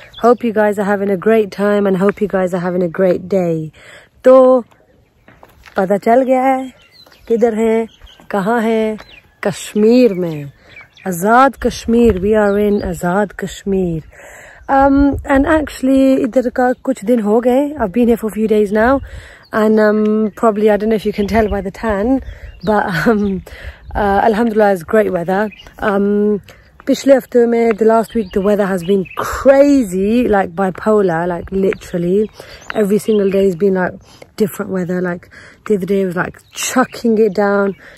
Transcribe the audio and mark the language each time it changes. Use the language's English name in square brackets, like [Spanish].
[English] Hope you guys are having a great time and hope you guys are having a great day. [Urdu] तो पता चल गया है किधर हैं, कहाँ हैं? कश्मीर में, आजाद Kashmir. [English] We are in Azad Kashmir. And actually, [Urdu] इधर का कुछ दिन हो गए. [English] I've been here for a few days now, and probably I don't know if you can tell by the tan, but alhamdulillah, it's great weather. [Urdu] Pichle hafte mein, [English] the last week, the weather has been crazy, like bipolar, like literally. Every single day has been like different weather. Like the other day was like chucking it down.